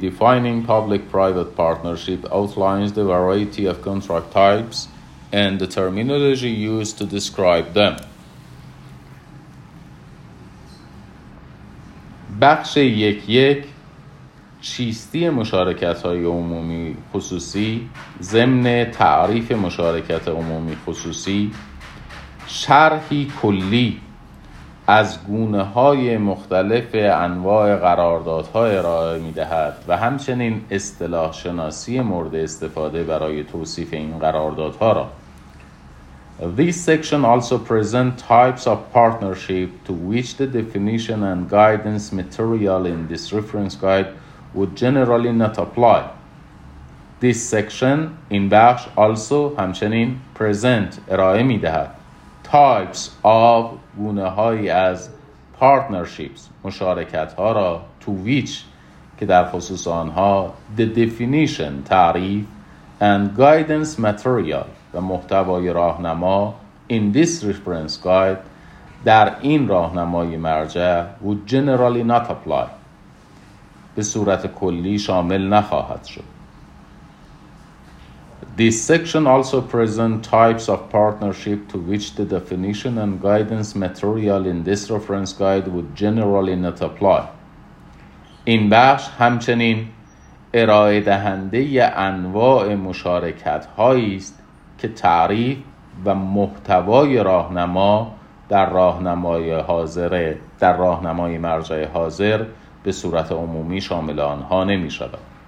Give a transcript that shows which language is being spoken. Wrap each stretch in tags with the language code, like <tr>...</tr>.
<en>Defining public-private partnership outlines the variety of contract types and the terminology used to describe them.</en> <fa>بخش 1.1 چیستی مشارکت‌های عمومی خصوصی ضمن تعریف مشارکت عمومی خصوصی شرحی کلی از گونه های مختلف انواع قراردادها ارائه می دهد و همچنین اصطلاح شناسی مورد استفاده برای توصیف این قراردادها را.</fa> <en>This section also presents types of partnership to which the definition and guidance material in this reference guide would generally not apply. This section in بخش also</en> <fa>همچنین</fa> <en>present</en> <fa>ارائه می دهد.</fa> <en>Types of</en> <fa>گونه هایی از</fa> <en>partnerships</en> <fa>مشارکت ها را</fa> <en>to which</en> <fa>که در خصوص آنها</fa> <en>the definition</en> <fa>تعریف</fa> <en>and guidance material</en> <fa>و محتوای راهنما</fa> <en>in this reference guide</en> <fa>در این راهنمای مرجع</fa> <en>would generally not apply</en> <fa>به صورت کلی شامل نخواهد شد.</fa> <en>This section also presents types of partnership to which the definition and guidance material in this reference guide would generally not apply.</en> <fa>این بخش همچنین ارائه دهنده انواع مشارکت هایی است که تعریف و محتوای راهنما در راهنمای حاضر در راهنمای مرجع حاضر به صورت عمومی شامل آنها نمی شود.</fa>